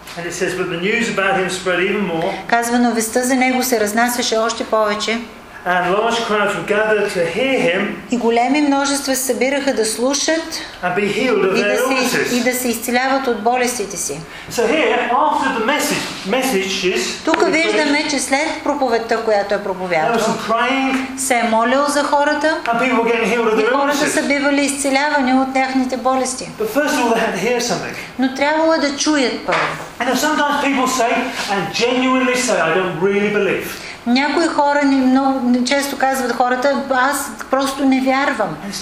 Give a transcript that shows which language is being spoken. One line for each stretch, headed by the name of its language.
English: And it says, but the news about him spread even more.
Bulgarian: Казва, но вестта за него се разнасяше още повече.
English: And large crowds were gathered to hear him.
Bulgarian: И големи множества се събираха да слушат.
English: And be healed of their illnesses.
Bulgarian: И да се изцеляват от болестите си.
English: So here, after the messages.
Bulgarian: Тука виждаме, че след проповедта, която е проповядал, се е молил за хората.
English: And people were getting healed of their illnesses.
Bulgarian: И хората са бивали изцелявани от тяхните болести.
English: But first of all, they had to hear something.
Bulgarian: Но трябвало да чуят първо.
English: And sometimes people say, and genuinely say, I don't really believe.
Bulgarian: Някои хора много често казват хората, аз просто не вярвам.